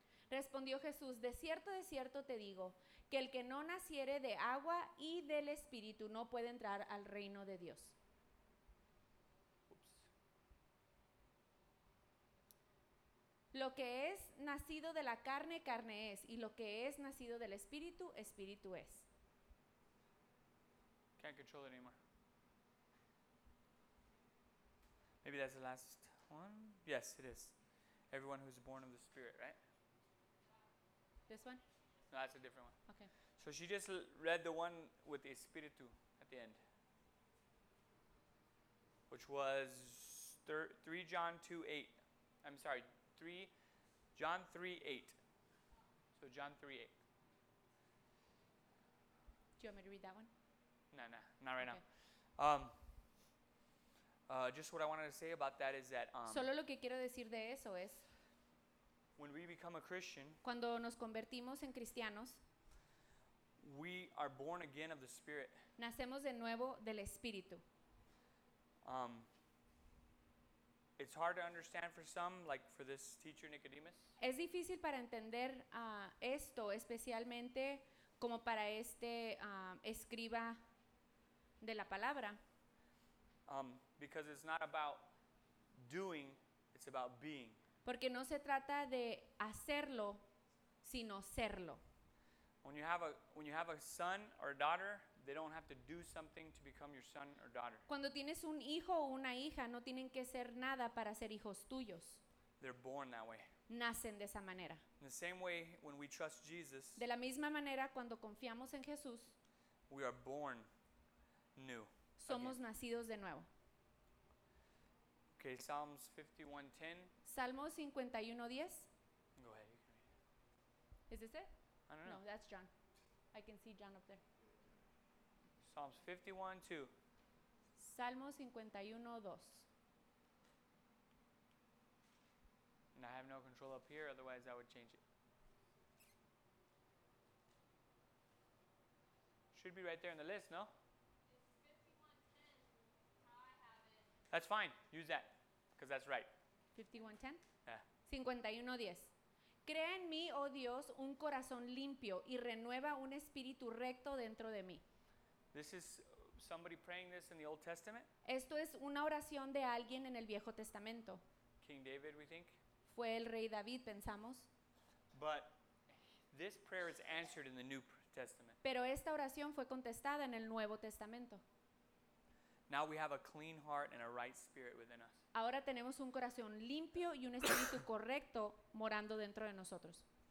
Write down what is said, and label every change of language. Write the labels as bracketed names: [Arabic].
[Spanish] Respondió Jesús, de cierto te digo, que el que no naciere de agua y del espíritu no puede entrar al reino de Dios. Lo que es nacido de la carne, carne es. Y lo que es nacido del espíritu, espíritu es. [English] Can't control it anymore. Maybe that's the last one. Yes, it is. Everyone who's born of the spirit, right? This one? No, that's a different one. Okay. So she just read the one with the espíritu at the end. Which was 3 John 2, 8. I'm sorry, John 3:8. Do you want me to read that one? No, not right now. Just what I wanted to say about that is that. [Spanish] Solo lo que quiero decir de eso es. [English] When we become a Christian. [Spanish] Cuando nos convertimos en cristianos. [English] We are born again of the Spirit. [Spanish] Nacemos de nuevo del Espíritu. [English] It's hard to understand for some, like for this teacher Nicodemus. [Spanish] Es difícil para entender esto, especialmente como para este escriba de la palabra. [English] Because it's not about doing, it's about being. [Spanish] Porque no se trata de hacerlo, sino serlo. [English] When you have a son or a daughter, they don't have to do something to become your son or daughter. [Spanish] Cuando tienes un hijo o una hija, no tienen que hacer nada para ser hijos tuyos. [English] They're born that way. [Spanish] Nacen de esa manera. [English] In the same way, when we trust Jesus. [Spanish] De la misma manera, cuando confiamos en Jesús. [English] We are born new. [Spanish] Somos nacidos de nuevo. [English] Okay, Psalms 51:10. [Spanish] Salmo 51:10. [English] Go ahead. Is this it? I don't know. No, that's John. I can see John up there. Psalms 51:2. [Spanish] Salmo 51:2. [English] And I have no control up here, otherwise I would change it. Should be right there in the list, no? It's 51:10. That's fine. Use that, because that's right. 51:10? Yeah. 51:10. [Spanish] Crea en mí, oh Dios, un corazón limpio y renueva un espíritu recto dentro de mí. [English] This is somebody praying this in the Old Testament. [Spanish] Esto es una oración de alguien en el Viejo Testamento. [English] King David, we think. [Spanish] Fue el rey David, pensamos. [English] But this prayer is answered in the New Testament. [Spanish] Pero esta oración fue contestada en el Nuevo Testamento. [English] Now we have a clean heart and a right spirit within us. [Spanish] Ahora tenemos un corazón limpio y un espíritu correcto morando dentro de nosotros.